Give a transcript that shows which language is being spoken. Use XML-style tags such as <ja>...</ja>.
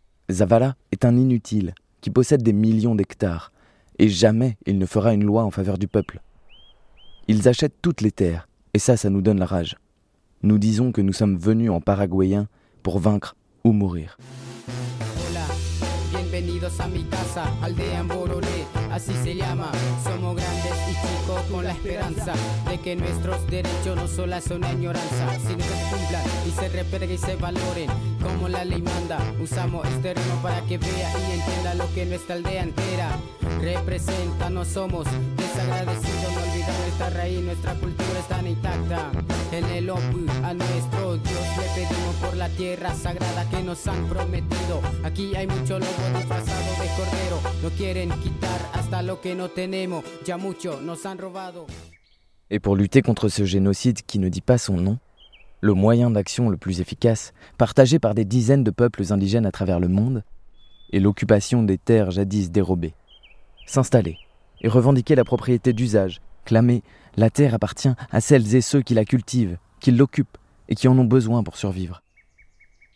<fr>Zavala est un inutile qui possède des millions d'hectares et jamais il ne fera une loi en faveur du peuple. Ils achètent toutes les terres et ça nous donne la rage. Nous disons que nous sommes venus en Paraguayen pour vaincre ou mourir.</fr> <es>Hola, bienvenidos a mi casa, aldea en Borolé, así se llama, somos grandes. con la esperanza de que nuestros derechos no solo son añoranza, sino que se cumplan y se respeten y se valoren como la ley manda. Usamos este ritmo para que vea y entienda lo que nuestra aldea entera representa. No somos desagradecidos, no olvidamos nuestra raíz, nuestra cultura está intacta. En el Opus a nuestro Dios le pedimos por la tierra sagrada que nos han prometido. Aquí hay muchos lobos disfrazados de cordero, no quieren quitar hasta lo que no tenemos, ya mucho nos han robado.</es> <fr>Et pour lutter contre ce génocide qui ne dit pas son nom, le moyen d'action le plus efficace, partagé par des dizaines de peuples indigènes à travers le monde, est l'occupation des terres jadis dérobées. S'installer et revendiquer la propriété d'usage, clamer « la terre appartient à celles et ceux qui la cultivent, qui l'occupent et qui en ont besoin pour survivre ».</fr>